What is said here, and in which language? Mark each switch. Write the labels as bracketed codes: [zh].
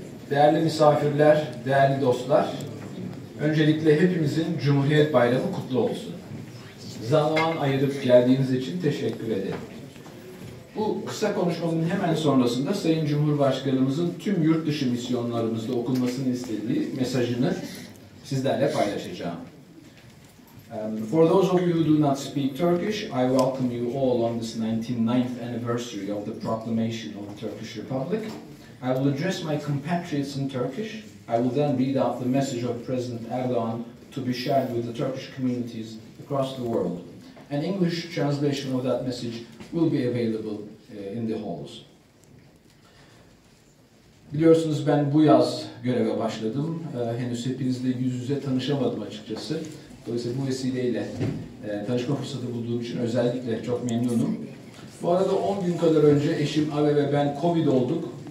[tr] Değerli misafirler, değerli dostlar, öncelikle hepimizin Cumhuriyet Bayramı kutlu olsun. Zaman ayırıp geldiğiniz için teşekkür ederim. Bu kısa konuşmanın hemen sonrasında Sayın Cumhurbaşkanımızın tüm yurt dışı misyonlarımızda okunmasını istediği mesajını sizlerle paylaşacağım. [en] For those of you who do not speak Turkish, I welcome you all on this 99th anniversary of the proclamation of the Turkish Republic. I will address my compatriots in Turkish. I will then read out the message of President Erdogan to be shared with the Turkish communities across the world. An English translation of that message will be available in the halls. [tr] Biliyorsunuz ben bu yaz göreve başladım. Henüz hepinizle yüz yüze tanışamadım açıkçası. Dolayısıyla bu vesileyle tanışma fırsatı bulduğum için özellikle çok memnunum. Bu arada 10 gün kadar önce eşim Ave ve ben Covid olduk.